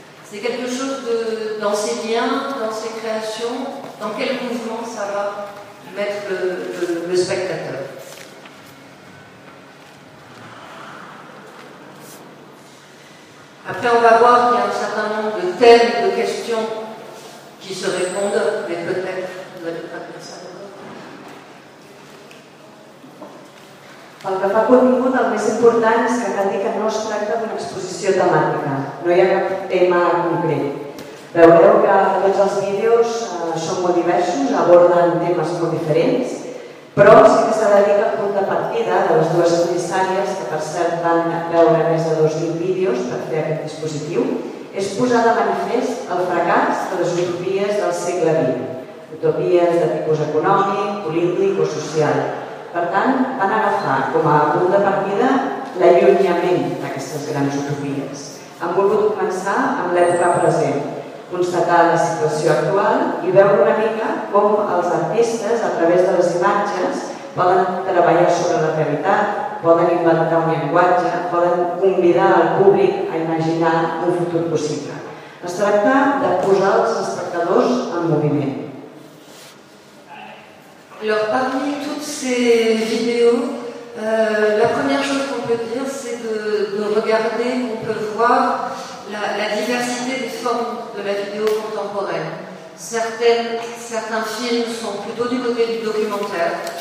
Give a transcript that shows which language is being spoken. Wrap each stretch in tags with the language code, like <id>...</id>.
<fr>C'est quelque chose de, dans ses liens, dans ses créations, dans quel mouvement ça va mettre le spectateur. Après, on va voir qu'il y a un certain nombre de thèmes, de questions qui se répondent, mais peut-être vous n'allez pas dire ça.</fr> <ca>Pel que fa contingut, el més important és que cal dir que no es tracta d'una exposició temàtica, no hi ha cap tema concret. Veureu que tots els vídeos són molt diversos, aborden temes molt diferents, però sí que s'ha de dir que el punt de partida de les dues comissàries, que per cert van veure més de 2.000 vídeos per fer aquest dispositiu, és posar de manifest el fracàs de les utopies del segle XX, utopies de tipus econòmic, polític o social. Per tant, van agafar com a punt de partida l'allunyament d'aquestes grans utopies. Han volgut començar amb l'època present, constatar la situació actual i veure una mica com els artistes, a través de les imatges, poden treballar sobre la realitat, poden inventar un llenguatge, poden convidar el públic a imaginar un futur possible. Es tracta de posar els espectadors en moviment.</ca> <fr>Alors, parmi toutes ces vidéos, la première chose qu'on peut dire, c'est de regarder, qu'on peut voir la diversité des formes de la vidéo contemporaine. Certains films sont plutôt du côté du documentaire,</fr>